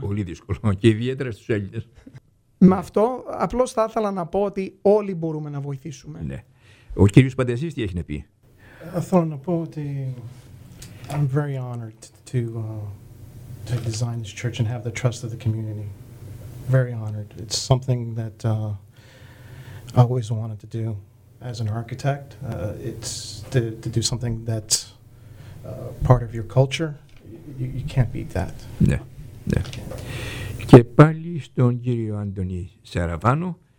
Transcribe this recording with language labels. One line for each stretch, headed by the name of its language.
Greek: Πολύ δύσκολο και ιδιαίτερα στους Έλληνες. Με αυτό απλώς θα ήθελα να πω ότι όλοι μπορούμε να βοηθήσουμε. Ναι. Ο κύριος Παντεζής τι έχει να πει? Θέλω να πω ότι
English: I'm very honored to design this church and have the trust of the community. Very honored. It's something that I always wanted to do as an architect. It's to do something that's part of your culture. You can't beat that.
Greek: Ναι, ναι. Και πάλι στον κύριο Αντωνή Σαραβάνο.